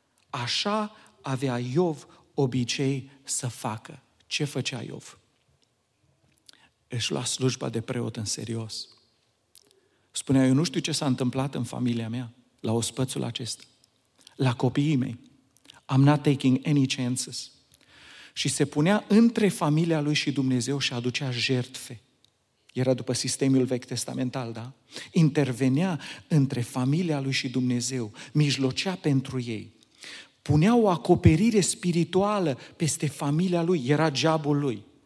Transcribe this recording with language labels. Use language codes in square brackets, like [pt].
[ro] Așa avea Iov obicei să facă. Ce făcea Iov? Își lua slujba de preot în serios. Spunea, eu nu știu ce s-a întâmplat în familia mea, la ospățul acesta, la copiii mei. [en] I'm not taking any chances. [ro] Și se punea între familia lui și Dumnezeu și aducea jertfe. Era după sistemul vechi testamental, da? Intervenea între familia lui și Dumnezeu, mijlocea pentru ei. Punea o acoperire spirituală peste familia lui, era geabul lui.